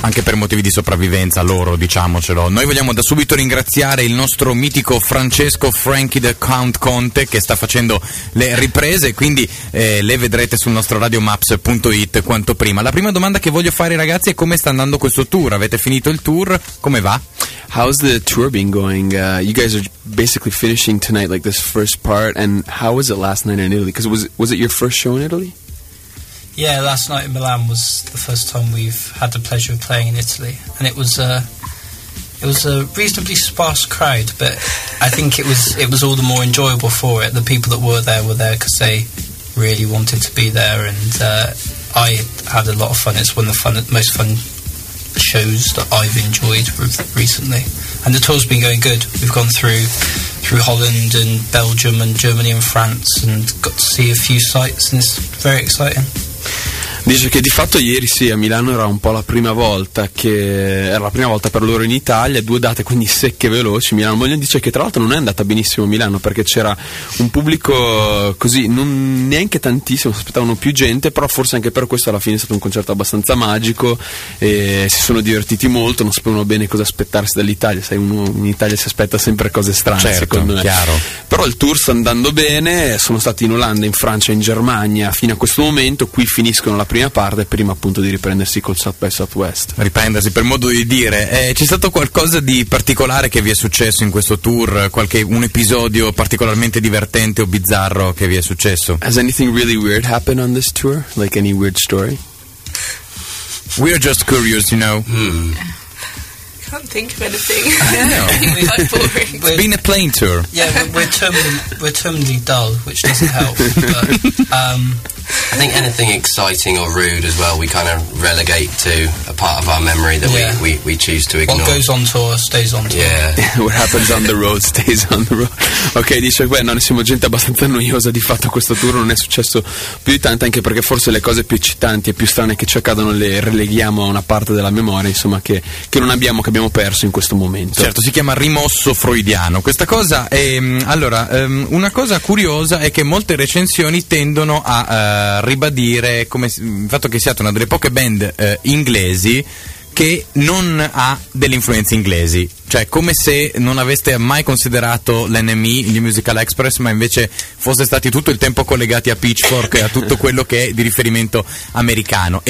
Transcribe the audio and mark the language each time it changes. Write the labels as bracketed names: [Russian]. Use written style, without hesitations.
[Italian] Anche per motivi di sopravvivenza loro, diciamocelo. Noi vogliamo da subito ringraziare il nostro mitico Francesco Frankie the Count Conte che sta facendo le riprese, quindi le vedrete sul nostro radiomaps.it quanto prima. La prima domanda che voglio fare, ragazzi, è come sta andando questo tour? Avete finito il tour? Come va? [English] How's the tour been going? You guys are basically finishing tonight, like this first part. And how was it last night in Italy? Because was it your first show in Italy? Yeah, last night in Milan was the first time we've had the pleasure of playing in Italy, and it was a reasonably sparse crowd. But I think it was all the more enjoyable for it. The people that were there because they really wanted to be there, and I had a lot of fun. It's one of the most fun shows that I've enjoyed recently. And the tour's been going good. We've gone through Holland and Belgium and Germany and France and got to see a few sights, and it's very exciting. [Italian] Dice che di fatto ieri sì, a Milano era un po' la prima volta che era la prima volta per loro in Italia, due date quindi secche e veloci. Milano Moglie dice che tra l'altro non è andata benissimo a Milano perché c'era un pubblico così, non neanche tantissimo, si aspettavano più gente, però forse anche per questo alla fine è stato un concerto abbastanza magico e si sono divertiti molto, non sapevano bene cosa aspettarsi dall'Italia, sai, uno in Italia si aspetta sempre cose strane, certo, secondo me. Chiaro. Però il tour sta andando bene, sono stati in Olanda, in Francia, in Germania fino a questo momento, qui finiscono la prima parte prima appunto di riprendersi col South by Southwest. Riprendersi, per modo di dire. C'è stato qualcosa di particolare che vi è successo in questo tour? Un episodio particolarmente divertente o bizzarro che vi è successo? [English] Has anything really weird happened on this tour? Like any weird story? We are just curious, you know. Can't think of anything. I know. It's been a plane tour. Yeah, we're terminally dull, which doesn't help. But I think anything exciting or rude as well, we kind of relegate to a part of our memory that we choose to ignore. What goes on tour stays on tour. Yeah. What happens on the road stays on the road. [Italian] Ok, dice, beh, non siamo gente abbastanza noiosa, di fatto questo tour non è successo più di tanto, anche perché forse le cose più eccitanti e più strane che ci accadono le releghiamo a una parte della memoria, insomma, che non abbiamo, che abbiamo perso in questo momento. Certo, si chiama rimosso freudiano. Questa cosa è, allora, una cosa curiosa è che molte recensioni tendono a ribadire come il fatto che siate una delle poche band inglesi che non ha delle influenze inglesi, cioè come se non aveste mai considerato l'NME, il Musical Express, ma invece fosse stati tutto il tempo collegati a Pitchfork e a tutto quello che è di riferimento americano.